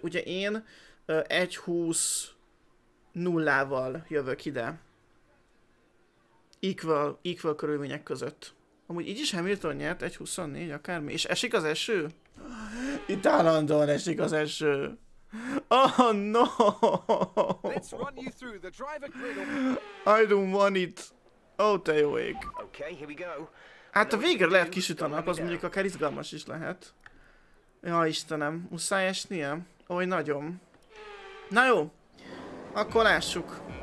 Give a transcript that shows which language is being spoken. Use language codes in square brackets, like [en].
[hu] Ugye én 1.20-val jövök ide. Equal körülmények között. Amúgy így is Hamilton nyert, 1.24 akármi. És esik az eső? Itt állandóan esik az eső. [en] Oh no! Let's run you through the driver grid. I don't want it. Oh, [hu] te jó ég. [en] Okay, here we go. [hu] Hát a végre lehet kisüt a nap, az mondjuk akár izgalmas is lehet. Ja, Istenem, muszáj esnie? Oly nagyon. Na jó, akkor lássuk.